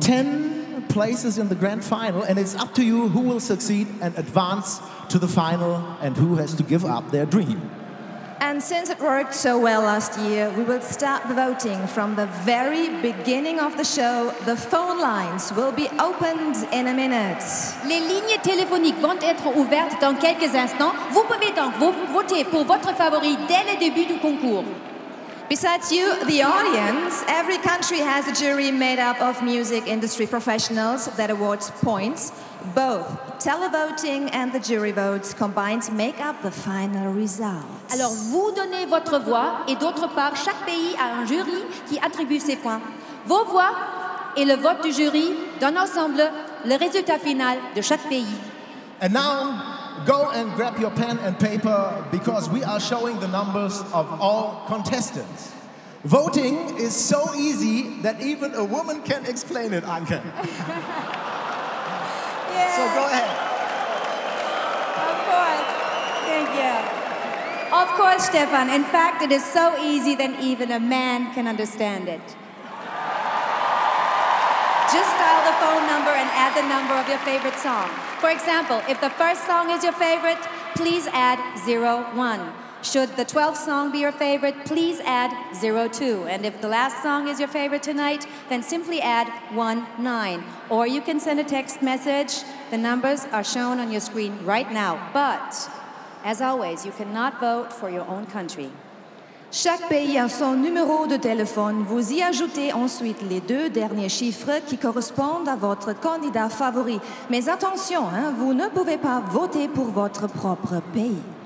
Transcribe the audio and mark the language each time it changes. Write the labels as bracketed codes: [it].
[en] 10 places in the grand final, and it's up to you who will succeed and advance to the final and who has to give up their dream. And since it worked so well last year, we will start the voting from the very beginning of the show. The phone lines will be opened in a minute. [fr] Les lignes téléphoniques vont être ouvertes dans quelques instants. Vous pouvez donc voter pour votre favori dès le début du concours. [en] Besides you, the audience, every country has a jury made up of music industry professionals that awards points. Both televoting and the jury votes combined make up the final results. [fr] Alors vous donnez votre voix et d'autre part chaque pays a un jury qui attribue ses points. Vos voix et le vote du jury donnent ensemble le résultat final de chaque pays. [en] And now go and grab your pen and paper because we are showing the numbers of all contestants. Voting is so easy that even a woman can explain it, Anke. Yes. So go ahead. Of course. Thank you. Of course, Stefan. In fact, it is so easy that even a man can understand it. Just dial the phone number and add the number of your favorite song. For example, if the first song is your favorite, please add 01. Should the 12th song be your favorite, please add 02. And if the last song is your favorite tonight, then simply add 19. Or you can send a text message. The numbers are shown on your screen right now. But, as always, you cannot vote for your own country. [fr] Chaque pays a son numéro de téléphone. Vous y ajoutez ensuite les deux derniers chiffres qui correspondent à votre candidat favori. Mais attention, hein, vous ne pouvez pas voter pour votre propre pays.